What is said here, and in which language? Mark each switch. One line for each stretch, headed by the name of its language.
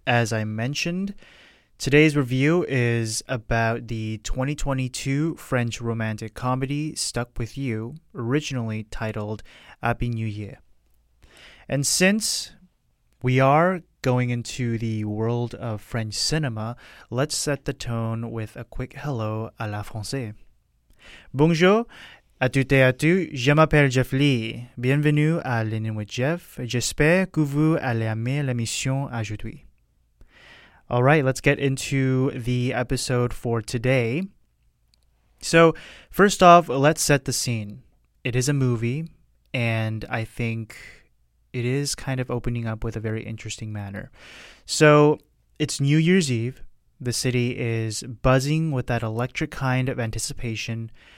English: As I mentioned, today's review is about the 2022 French romantic comedy Stuck With You, originally titled Happy New Year. And since we are going into the world of French cinema, let's set the tone with a quick hello à la française.
French: Bonjour à toutes et à tous, je m'appelle Jeff Lee. Bienvenue à Lean In with Jeff. J'espère que vous allez aimer l'émission aujourd'hui.
English: All right, let's get into the episode for today. So, first off, let's set the scene. It is a movie, and I think it is kind of opening up with a very interesting manner. So, it's New Year's Eve. The city is buzzing with that electric kind of anticipation.